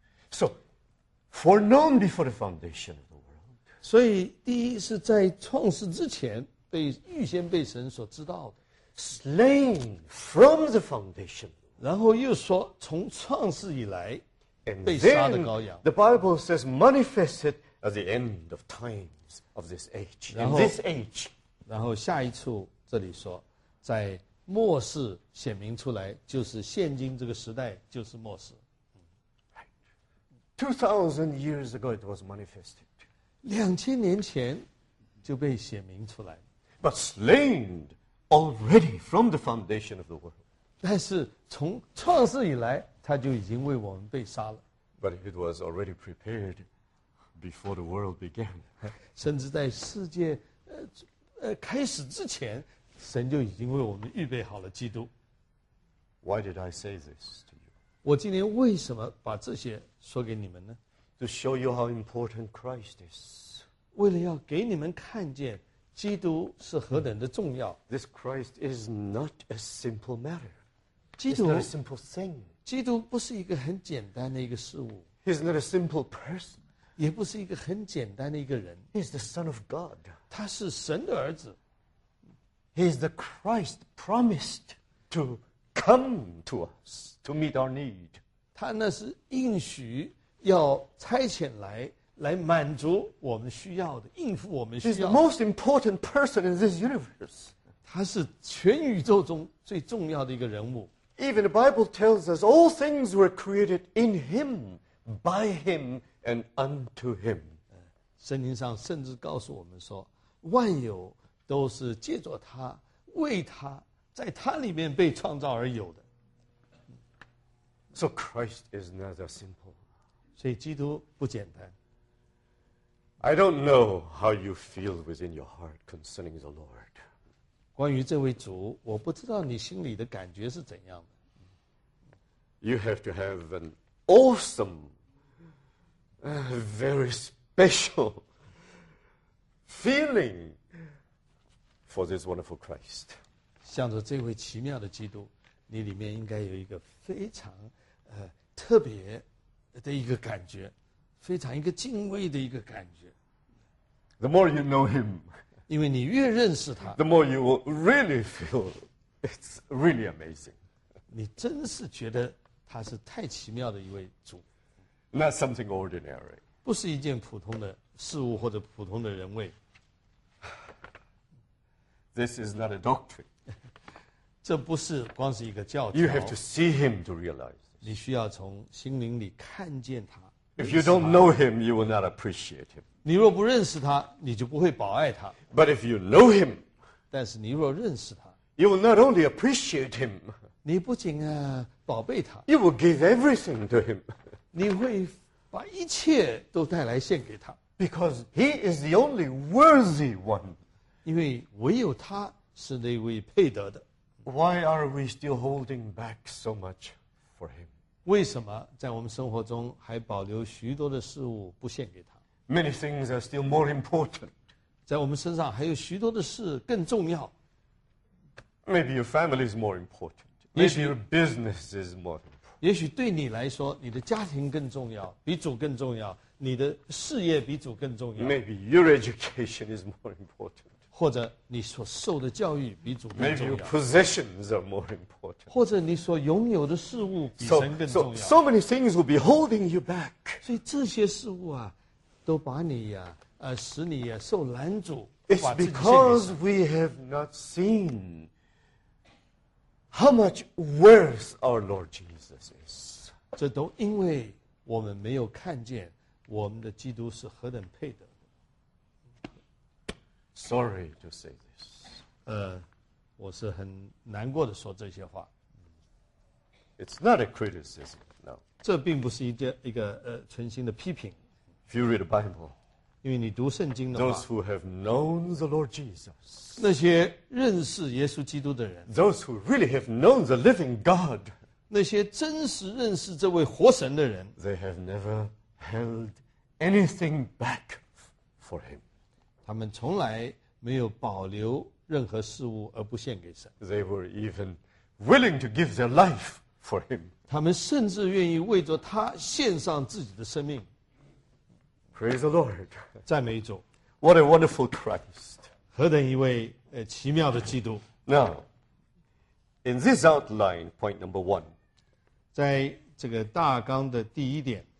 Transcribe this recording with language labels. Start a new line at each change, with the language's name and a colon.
English: So, foreknown before the foundation of the world.
Chinese: 所以第一是在创世之前被预先被神所知道的。
English: Slain from the foundation.
Chinese: 然后又说从创世以来被杀的羔羊。
English: The Bible says manifested at the end of times of this age. In this age.
Chinese: 然后下一处这里说在末世显明出来，就是现今这个时代，就是末世。
English: 2,000 years ago, it was manifested.
Chinese: 2,000年前就被显明出来。
English: But slain already from the foundation of the world.
Chinese: 但是从创世以来，他就已经为我们被杀了。
English: But it was already prepared before the world began.
Chinese: 甚至在世界开始之前。神就已经为我们预备好了基督。
English: Why did I say this to you?
Chinese: 我今天为什么把这些说给你们呢
English: ？To show you how important Christ is.
Chinese: 为了要给你们看见基督是何等的重要。
English: This Christ is not a simple matter.
Chinese: 基督
English: It's not a simple thing.
Chinese: 基督不是一个很简单的一个事物。
English: He's not a simple person.
Chinese: 也不是一个很简单的一个人。
English: He's the Son of God.
Chinese: 他是神的儿子。
English: He is the Christ promised to come to us to meet our need.
Chinese: 他那是应许要差遣来满足我们需要的，应付我们需要的。
English: He's the most important person in this universe.
Chinese: 他是全宇宙中最重要的一个人物。
English: Even the Bible tells us all things were created in Him, by Him, and unto Him.
Chinese: 圣经上甚至告诉我们说，万有。都是借着他，为他，在他里面被创造而有的。
English: So Christ is not a simple.
Chinese: 所以基督不简单。
English: I don't know how you feel within your heart concerning the Lord.
Chinese: 关于这位主，我不知道你心里的感觉是怎样的。
English: You have to have an awesome, very special feeling. For this wonderful Christ,
Chinese: 向着这位奇妙的基督，你里面应该有一个非常特别的一个感觉，非常一个敬畏的一个感觉。
English: The more you know Him,
Chinese: 因为你越认识他
English: ，the more you will really feel it's really amazing.
Chinese: 你真是觉得他是太奇妙的一位主。
English: Not something ordinary.
Chinese: 不是一件普通的事物或者普通的人位。
English: This is not a doctrine.
Chinese: 这不是光是一个教条。
English: You have to see him to realize.
Chinese: 你需要从心灵里看见他。
English: If you don't know him, you will not appreciate him.
Chinese: 你若不认识他，你就不会保爱他。
English: But if you know him,
Chinese: 但是你若认识他，
English: you will not only appreciate him.
Chinese: 你不仅啊宝贝他，
English: you will give everything to him.
Chinese: 你会把一切都带来献给他。
English: Because he is the only worthy one.
Chinese: 因为唯有他是那位配得的。
English: Why are we still holding back so much for him?
Chinese: 为什么在我们生活中还保留许多的事物不献给他？
English: Many things are still more important.
Chinese: 在我们身上还有许多的事更重要。
English: Maybe your family is more important. Maybe your business is more important.
Chinese: 也许对你来说，你的家庭更重要，比主更重要；你的事业比主更重要。
English: Maybe your education is more important.
Chinese: 或者你所受的教育比主更重要。
English: Maybe your possessions are more important.
Chinese: 或者你所拥有的事物比神更重要。
English: So many things will be holding you back.
Chinese: 所以这些事物啊，都把你呀、啊，使你呀、啊、受拦阻。
English: It's because we have not seen how much worth our Lord Jesus.
Chinese: 这都因为我们没有看见我们的基督是何等配得的。
English: Sorry to say this.
Chinese: 我是很难过的说这些话。
English: It's not a criticism, no.
Chinese: 这并不是一个存心的批评。
English: If you read the Bible,
Chinese: 因为你读圣经的话
English: ，those who have known the Lord Jesus,
Chinese: 那些认识耶稣基督的人
English: ，those who really have known the living God.
Chinese: 那些真实认识这位活神的人
English: ，They have never held anything back for him.
Chinese: 他们从来没有保留任何事物而不献给神。
English: They were even willing to give their life for him.
Chinese: 他们甚至愿意为着他献上自己的生命。
English: Praise the Lord.
Chinese: 赞美主。
English: What a wonderful Christ.
Chinese: 何等一位奇妙的基督。
English: Now. In this outline, point number one,
Chinese: 在这个大纲的第一点